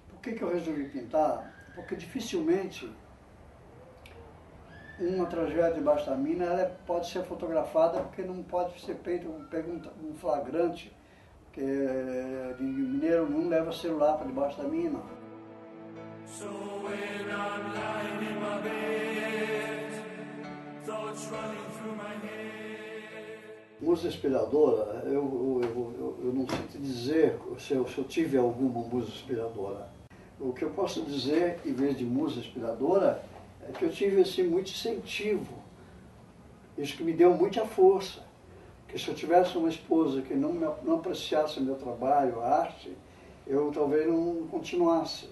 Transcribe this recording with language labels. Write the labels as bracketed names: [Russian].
[Portuguese] Por que eu resolvi pintar? Porque dificilmente uma tragédia debaixo da mina ela pode ser fotografada, porque não pode ser feito um flagrante, porque o mineiro não leva celular para debaixo da mina. [English] So when I'm lying in my bed, thoughts running through my head. [Portuguese] Musa inspiradora, eu não sei te dizer se eu tive alguma musa inspiradora. O que eu posso dizer, em vez de musa inspiradora, é que eu tive assim, muito incentivo. Isso que me deu muita força. Que se eu tivesse uma esposa que não apreciasse o meu trabalho, a arte, eu talvez não continuasse.